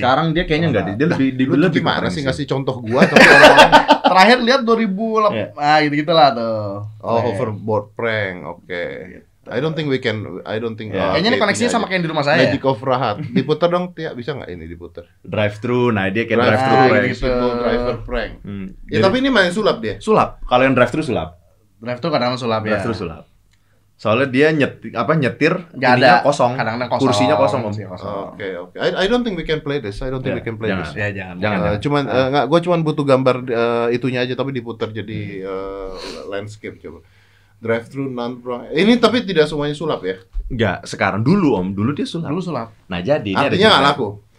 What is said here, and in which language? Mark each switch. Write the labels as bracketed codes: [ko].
[id] Sekarang dia kayaknya enggak deh. Dia lebih gimana sih ngasih contoh gua terakhir lihat 2008. Yeah. Ah, gitu-gitulah tuh. [en] Oh, hoverboard prank. Oke. Okay. I don't think yeah. [id] Kayaknya ini koneksinya sama kayak di rumah saya. Magic of Rahat. Diputer dong, Tia. Bisa enggak ini diputer? [en] Drive through. [id] Nah, dia kayak drive through prank. Gitu. Driver prank. Ya, jadi, tapi ini main sulap dia. Sulap. Kalau yang drive through sulap. Drive through kadang sulap ya. Drive through sulap. Soalnya dia nyetir gak ada, kosong. Kadang-kadang kosong, kursinya kosong. Oke, oke. Okay, okay. [en] I don't think we can play this. [id] Jangan, [en] this. [id] Ya, jangan. Cuman enggak, gua cuman butuh gambar itunya aja tapi diputar jadi landscape coba. Drive through non wrong. Ini tapi tidak semuanya sulap ya? Enggak, sekarang dulu Om, dulu dia sulap. Dulu sulap. Nah, jadi ini artinya enggak laku.